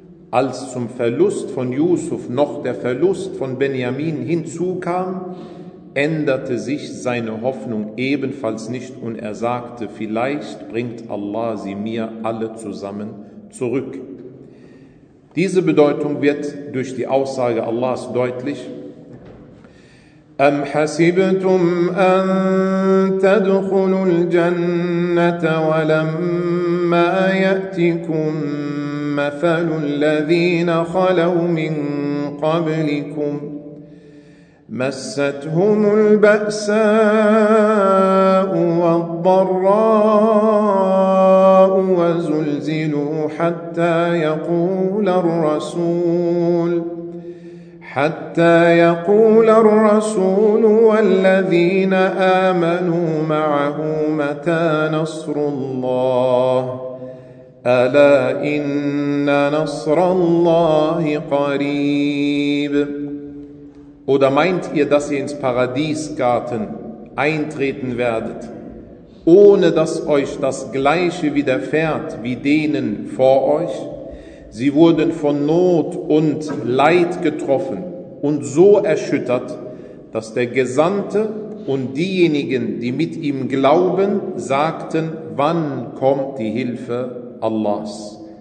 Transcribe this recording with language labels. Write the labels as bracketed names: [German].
[German] Als zum Verlust von Yusuf noch der Verlust von Benjamin hinzukam, änderte sich seine Hoffnung ebenfalls nicht und er sagte, vielleicht bringt Allah sie mir alle zusammen zurück. Diese Bedeutung wird durch die Aussage Allahs deutlich. [Arabic] أَمْ حَسِبْتُمْ أَنْ تَدْخُلُوا الْجَنَّةَ وَلَمَّا يَأْتِكُمْ مَثَلُ الَّذِينَ خَلَوْا مِنْ قَبْلِكُمْ مَسَّتْهُمُ الْبَأْسَاءُ وَالضَّرَّاءُ وَزُلْزِلُوا حَتَّى يَقُولَ الرَّسُولُ حتى يقول الرسول والذين آمنوا معه متى نصر الله ألا إن نصر الله قريب. [German] Oder meint ihr, dass ihr ins Paradiesgarten eintreten werdet, ohne dass euch das Gleiche widerfährt wie denen vor euch? Sie wurden von Not und Leid getroffen und so erschüttert, dass der Gesandte und diejenigen, die mit ihm glauben, sagten, wann kommt die Hilfe Allahs?